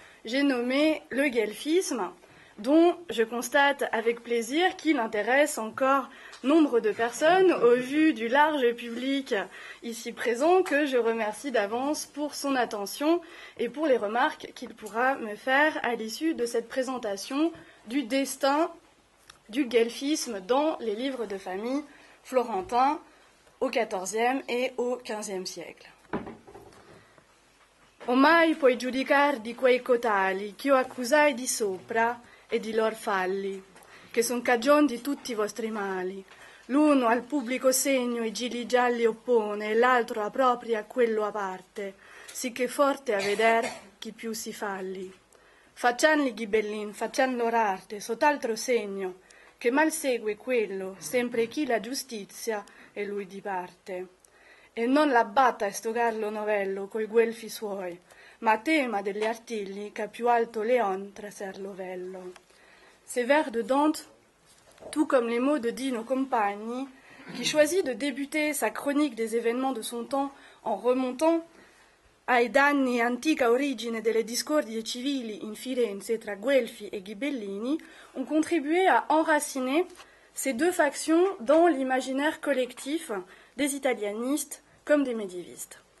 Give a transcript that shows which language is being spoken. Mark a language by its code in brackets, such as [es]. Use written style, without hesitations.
[fr] J'ai nommé le guelphisme, dont je constate avec plaisir qu'il intéresse encore nombre de personnes au vu du large public ici présent, que je remercie d'avance pour son attention et pour les remarques qu'il pourra me faire à l'issue de cette présentation du destin du guelphisme dans les livres de famille florentins au XIVe et au XVe siècle. [it] O mai puoi giudicar di quei cotali che io accusai di sopra e di lor falli, che son cagion di tutti i vostri mali. L'uno al pubblico segno i gili gialli oppone, e l'altro a propria quello a parte, sicché forte a veder chi più si falli. Faccian li ghibellin, faccian lor arte, sott'altro segno, che mal segue quello, sempre chi la giustizia e lui di parte. E non l'abbatta sto gallo novello coi guelfi suoi, ma tema degli artigli che più alto leon traser l'ovello. [fr] Ces vers de Dante, tout comme les mots de Dino Compagni, qui choisit de débuter sa chronique des événements de son temps en remontant [it] ai danni antica origine delle discordie civili in Firenze tra Guelfi e Ghibellini, [fr] ont contribué à enraciner ces deux factions dans l'imaginaire collectif des italianistes comme des médiévistes.